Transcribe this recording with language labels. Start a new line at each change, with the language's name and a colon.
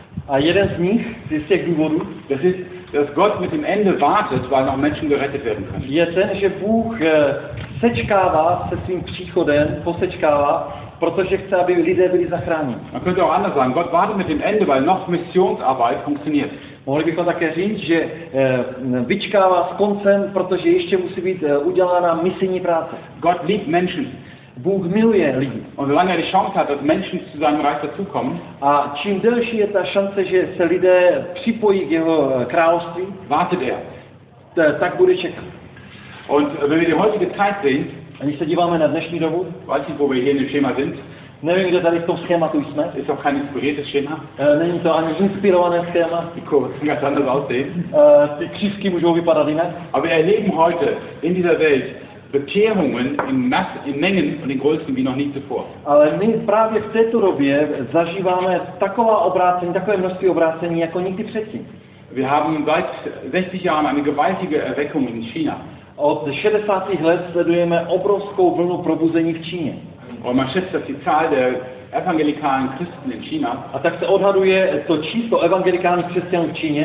Czech: A jeden z nich, z těch důvodů,
German: dass Gott mit dem Ende wartet, weil noch Menschen gerettet werden können.
Czech: Je ten, že Bůh sečkává se svým příchodem, posečkává, protože chce, aby lidé byli zachráněni.
German: Man könnte auch anders sagen, Gott wartet mit dem Ende, weil noch Missionsarbeit funktioniert.
Czech: Mohli bychom také říct, že vyčkává s koncem, protože ještě musí být udělána misijní práce.
German: Gott liebt Menschen.
Czech: Bůh miluje lidi.
German: Und solange er die Chance hat, dass Menschen zu seinem Reich dazukommen,
Czech: a čím delší je ta šance, že se lidé připojí k jeho království,
German: wartet er.
Czech: Tak bude čekat.
German: Und wenn wir die heutige Zeit sehen,
Czech: a když se díváme na dnešní dobu,
German: weiß ich, wo wir hier in dem Schema sind,
Czech: nevím, kde tady v tom schématu jsme.
German: Ist auch kein inspiriertes Schema.
Czech: Není to ani inspirované schéma.
German: Die Kurve kann ganz anders aussehen.
Czech: Ty křivky můžou vypadat jinak.
German: Aber wir erleben heute in dieser Welt Bekehrungen in Mengen und in Größen wie noch nie zuvor.
Czech: Ale my právě v této době zažíváme taková obrácení, takové množství obrácení jako nikdy předtím.
German: Wir haben seit 60 Jahren eine gewaltige Erweckung in China.
Czech: Od 60. let sledujeme obrovskou vlnu probuzení v Číně.
German: Und man schätzt, dass die Zahl der evangelikalen Christen in China.
Czech: A tak se odhaduje to číslo evangelikálních křesťanů v Číně.